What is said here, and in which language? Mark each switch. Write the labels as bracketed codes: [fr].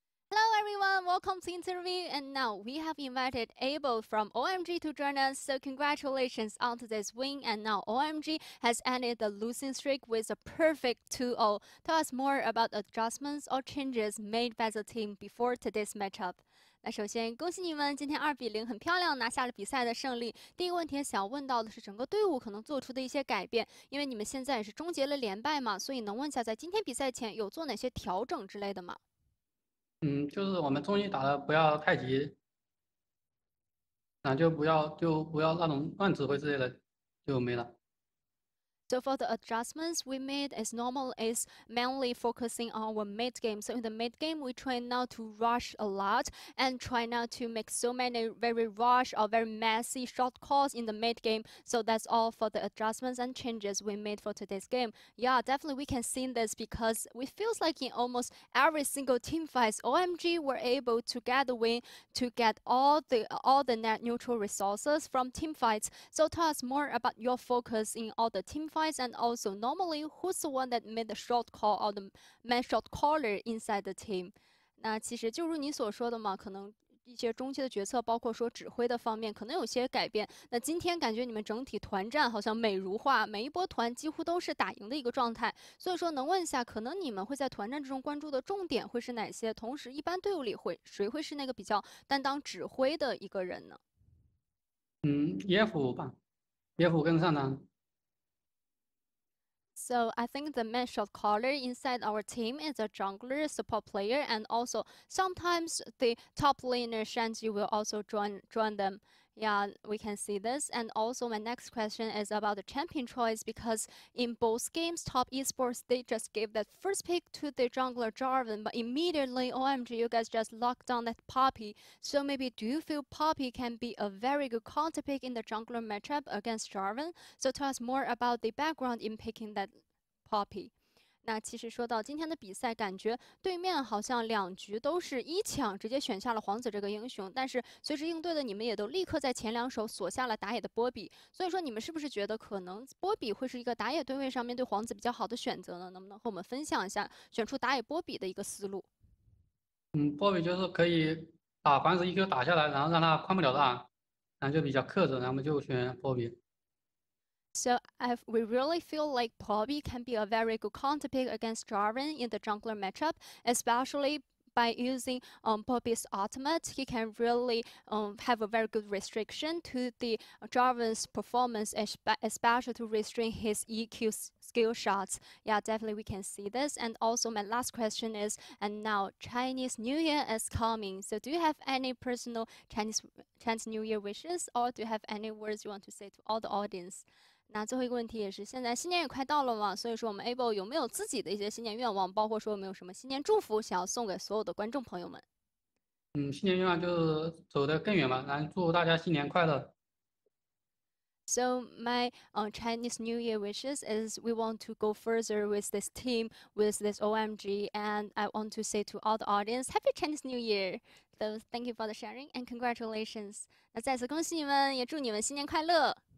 [en] Hello, everyone. everyone, welcome to interview. And now we have invited Abel from OMG to join us. So congratulations on this win. And now OMG has ended the losing streak with a perfect 2-0. Tell us more about adjustments or changes made by the team before today's matchup. [zh] 那首先恭喜你们今天2-0很漂亮拿下了比赛的胜利。第一个问题想要问到的是整个队伍可能做出的一些改变，因为你们现在也是终结了连败嘛，所以能问一下在今天比赛前有做哪些调整之类的吗？就是我们中期打的不要太急，那就不要那种乱指挥之类的，就没了。 [en] So for the adjustments we made as normal is mainly focusing on our mid game. So in the mid game, we try not to rush a lot and try not to make so many very rush or very messy short calls in the mid game. So that's all for the adjustments and changes we made for today's game. Yeah, definitely we can see this because it feels like in almost every single team fight, OMG were able to get the win to get all the net neutral resources from team fights. So tell us more about your focus in all the team fights, and also normally who's the one that made the short call or the main short caller inside the team. [zh] 那其实就如你所说的嘛，可能一些中期的决策包括说指挥的方面可能有些改变。那今天感觉你们整体团战好像美如画，每一波团几乎都是打赢的一个状态，所以说能问一下可能你们会在团战之中关注的重点会是哪些，同时一般队伍里会谁会是那个比较担当指挥的一个人呢？野辅跟上单。 [en] So I think the main shot caller inside our team is a jungler, support player, and also sometimes the top laner Shanji will also join them. Yeah, we can see this. And also my next question is about the champion choice, because in both games, top esports, they just gave that first pick to the jungler Jarvan, but immediately OMG, you guys just locked down that Poppy. So maybe do you feel Poppy can be a very good counter pick in the jungler matchup against Jarvan? So tell us more about the background in picking that Poppy. [zh] 那其实说到今天的比赛，感觉对面好像两局都是一抢直接选下了皇子这个英雄，但是随之应对的你们也都立刻在前两手锁下了打野的波比，所以说你们是不是觉得可能波比会是一个打野对位上面对皇子比较好的选择呢？能不能和我们分享一下选出打野波比的一个思路？波比就是可以打皇子 EQ 打下来，然后让他宽不了大，然后就比较克制，然后就选波比。 [en] So we really feel like Poppy can be a very good counter pick against Jarvan in the jungler matchup, especially by using Poppy's ultimate. He can really have a very good restriction to the Jarvan's performance, especially to restrain his EQ skill shots. Yeah, definitely we can see this. And also my last question is, and now Chinese New Year is coming. So do you have any personal Chinese New Year wishes, or do you have any words you want to say to all the audience? [zh] 那最后一个问题也是现在新年也快到了嘛，所以说我们 Abel 有没有自己的一些新年愿望，包括说有没有什么新年祝福想要送给所有的观众朋友们？新年愿望就是走得更远嘛，然后祝大家新年快乐。 [en] So my Chinese New Year wishes is we want to go further with this team, with this OMG, and I want to say to all the audience, Happy Chinese New Year! So thank you for the sharing and congratulations. [zh] 那再次恭喜你们，也祝你们新年快乐。